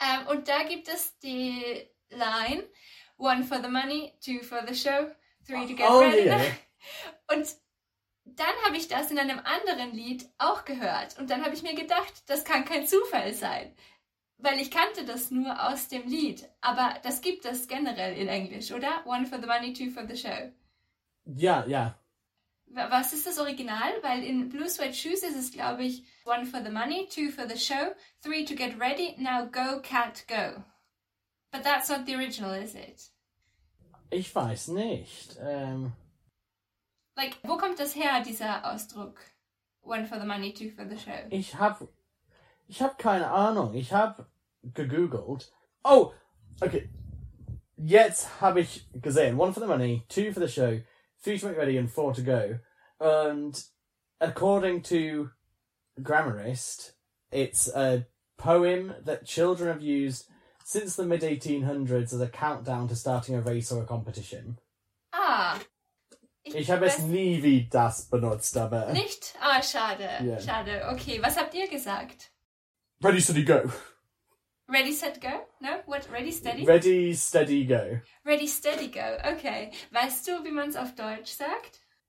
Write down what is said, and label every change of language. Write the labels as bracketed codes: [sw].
[de] Und da gibt es die Line, [en] one for the money, two for the show, three to get ready. Oh, yeah. [de] Und... Dann habe ich das in einem anderen Lied auch gehört. Und dann habe ich mir gedacht, das kann kein Zufall sein. Weil ich kannte das nur aus dem Lied. Aber das gibt es generell in Englisch, oder? [en] One for the money, two for the show. [de] Ja, ja. Was ist das Original? Weil in Blue Suede Shoes ist es, glaube ich, [en] one for the money, two for the show, three to get ready, now go, cat, go. But that's not the original, is it? [de] Ich weiß nicht. Like, wo kommt das her, dieser Ausdruck? [en] One for the money, two for the show. [de] Ich hab keine Ahnung. Ich hab gegoogelt. Oh, okay. Jetzt habe ich gesehen. [en] One for the money, two for the show, three to make ready and four to go. And according to Grammarist, it's a poem that children have used since the mid-1800s as a countdown to starting a race or a competition. Ah. [de] Ich habe es nie wie das benutzt, aber... Nicht? Ah, schade. Yeah. Schade. Okay, was habt ihr gesagt? [en] Ready, steady, go. Ready, set, go? No? What? Ready, steady? Ready, steady, go. Ready, steady, go. Okay. [de] Weißt du, wie man es auf Deutsch sagt?